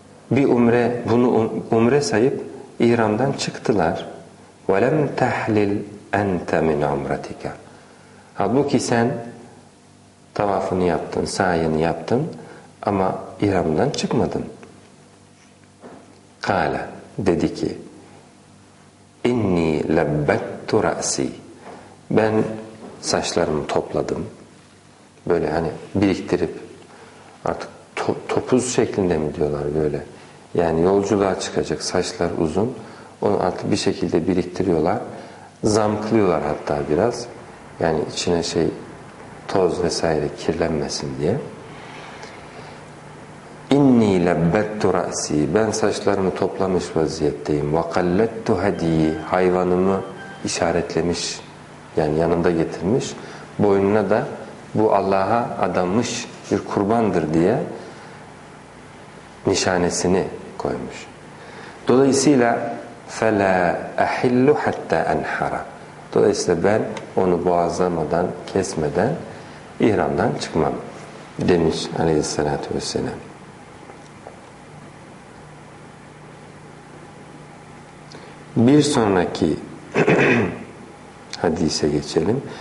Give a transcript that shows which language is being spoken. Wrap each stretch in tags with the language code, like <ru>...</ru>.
<tr>Bir umre, bunu umre sayıp ihramdan çıktılar.</tr> <ar>وَلَمْ تَحْلِلْ أَنْتَ مِنْ عُمْرَتِكَ.</ar> <tr>Halbuki sen tavafını yaptın, sayını yaptın ama ihramdan çıkmadın.</tr> <ar>قَالَ,</ar> <tr>dedi ki,</tr> <ar>اِنِّي لَبَّتْتُ رَأْسِي.</ar> <tr>Ben saçlarımı topladım. Böyle hani biriktirip, artık topuz şeklinde mi diyorlar böyle. Yani yolculuğa çıkacak, saçlar uzun. Onu artık bir şekilde biriktiriyorlar. Zamklıyorlar hatta biraz. Yani içine şey, toz vesaire kirlenmesin diye.</tr> <ar>İnni lebbettu ra'si,</ar> <tr>ben saçlarımı toplamış vaziyetteyim.</tr> <ar>Ve kallettu hediyi,</ar> <tr>hayvanımı işaretlemiş. Yani yanında getirmiş. Boynuna da bu Allah'a adanmış bir kurbandır diye nişanesini koymuş. Dolayısıyla</tr> <ar>فَلَا أَحِلُّ حَتَّى أَنْحَرَ.</ar> <tr>Dolayısıyla ben onu boğazlamadan, kesmeden ihramdan çıkmam, demiş aleyhissalatü vesselam. Bir sonraki hadise geçelim.</tr>